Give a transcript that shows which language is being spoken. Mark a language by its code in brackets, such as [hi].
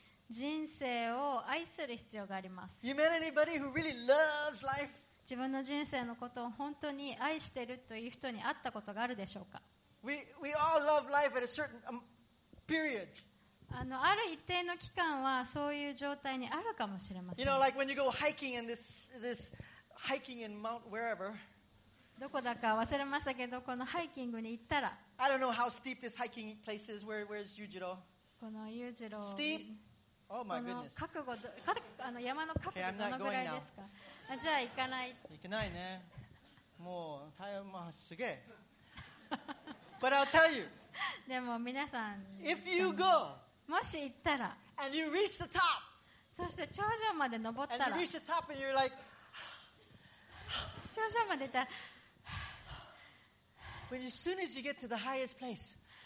[ja] 人生を愛する必要があります。 [en] You met anybody who really loves life? [ja] 自分の人生のことを本当に愛しているという人に会ったことがあるでしょうか。 [en] We all love life at a certain period. [ja] ある一定の期間はそういう状態にあるかもしれません。 [en] You know, like when you go hiking in this hiking in Mount wherever. [ja] どこだか忘れましたけど、このハイキングに行ったら。 [en] I don't know how steep this hiking place is. Where's Yujiro? [ja] この Yujiro. [en] Steep? Oh my goodness. [ja] あの山の角度どのぐらいですか。 [en] Okay, [ja] じゃあ行かない。行けないね。もう大変、まあ、すげえ。 [en] But I'll tell you. [ja] でも皆さん、 [en] If you go, [ja] もし行ったら、 [en] and you reach the top, [ja] そして頂上まで登ったら、 [en] and you reach the top and you're like, [ja] 頂上まで行ったら、 [en] as soon as you get to the highest place,